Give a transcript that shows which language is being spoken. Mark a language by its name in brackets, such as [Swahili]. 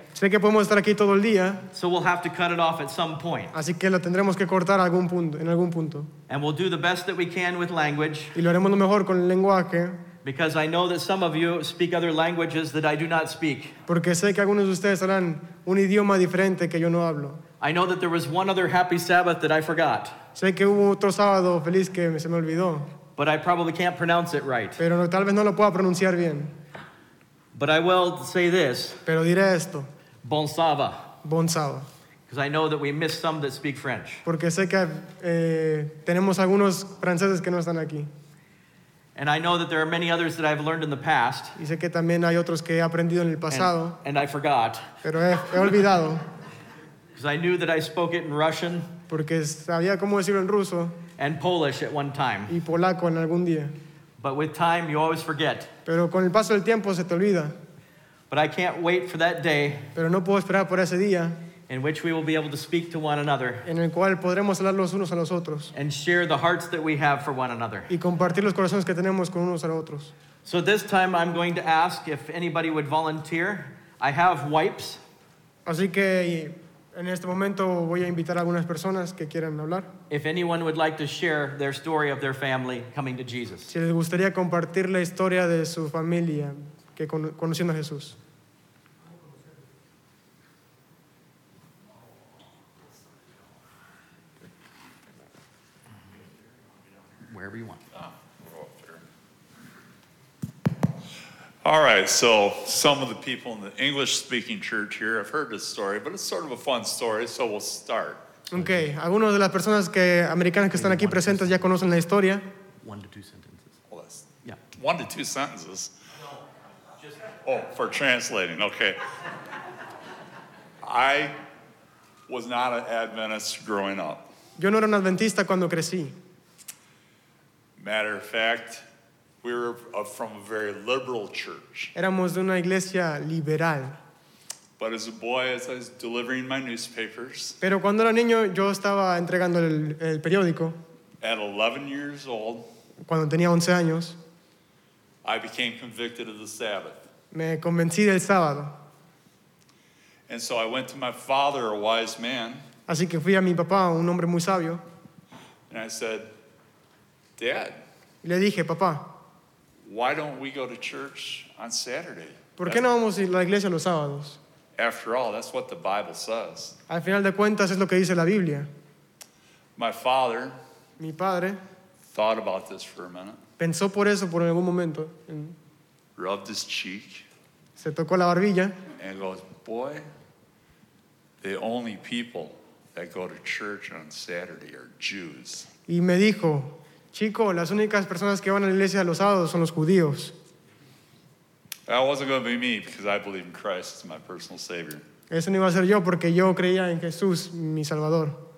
[Spanish] Sé que podemos estar aquí todo el día. [English] So we'll have to cut it off at some point. [Spanish] Así que lo tendremos que cortar en algún punto. [English] And we'll do the best that we can with language. [Spanish] Y lo haremos lo mejor con el lenguaje. [English] Because I know that some of you speak other languages that I do not speak. [Spanish] Porque sé que algunos de ustedes hablan un idioma diferente que yo no hablo. [English] I know that there was one other happy Sabbath that I forgot. [Spanish] Sé que hubo otro sábado feliz que se me olvidó. [English] But I probably can't pronounce it right. [Spanish] Pero tal vez no lo pueda pronunciar bien. [English] But I will say this. [Spanish] Pero diré esto. [French] Bon sava. Bon sava. [English] Because I know that we miss some that speak French. [Spanish] Porque sé que tenemos algunos franceses que no están aquí. [English] And I know that there are many others that I've learned in the past. [Spanish] Y sé que también hay otros que he aprendido en el pasado. [English] And I forgot. [Spanish] Pero he olvidado. [English] Because I knew that I spoke it in Russian. [Spanish] Porque sabía cómo decirlo en ruso. [English] And Polish at one time. [Spanish] Y polaco en algún día. [English] But with time, you always forget. [Spanish] Pero con el paso del tiempo se te olvida. [English] But I can't wait for that day. [Spanish] Pero no puedo esperar por ese día. [English] In which we will be able to speak to one another. [Spanish] En el cual podremos hablar los unos a los otros. [English] And share the hearts that we have for one another. [Spanish] Y compartir los corazones que tenemos con unos a otros. [English] So this time I'm going to ask if anybody would volunteer. I have wipes. [Spanish] Así que en este momento voy a invitar a algunas personas que quieran hablar. [English] If anyone would like to share their story of their family coming to Jesus. [Spanish] Si les gustaría compartir la historia de su familia que conociendo a Jesús. [English] Wherever you want. All right, so some of the people in the English-speaking church here have heard this story, but it's sort of a fun story, so we'll start. [Spanish] Okay, algunos de las personas que americanas que están aquí presentes ya conocen la historia. [English] One to two sentences. Well, that's, yeah. One to two sentences. No, for translating. Okay. I was not an Adventist growing up. [Spanish] Yo no era un adventista cuando crecí. [English] Matter of fact, we were from a very liberal church. [Spanish] Éramos de una iglesia liberal. [English] But as a boy, as I was delivering my newspapers, [Spanish] pero cuando era niño, yo estaba entregando el periódico. [English] At 11 years old, [Spanish] cuando tenía 11 años, [English] I became convicted of the Sabbath. [Spanish] Me convencí del sábado. [English] And so I went to my father, a wise man. [Spanish] Así que fui a mi papá, un hombre muy sabio. [English] And I said, Dad. [Spanish] Y le dije, papá. [English] Why don't we go to church on Saturday? [Spanish] ¿Por qué no vamos a la iglesia los sábados? [English] After all, that's what the Bible says. [Spanish] Al final de cuentas es lo que dice la Biblia. [English] My father, [Spanish] mi padre, [English] thought about this for a minute. [Spanish] Pensó por eso por algún momento. [English] Rubbed his cheek. Se tocó la barbilla. And goes, boy, the only people that go to church on Saturday are Jews. [Spanish] Y me dijo, chico, las únicas personas que van a la iglesia los sábados son los judíos. [English] That wasn't going to be me because I believe in Christ as my personal Savior. [Spanish] Eso no iba a ser yo porque yo creía en Jesús, mi Salvador.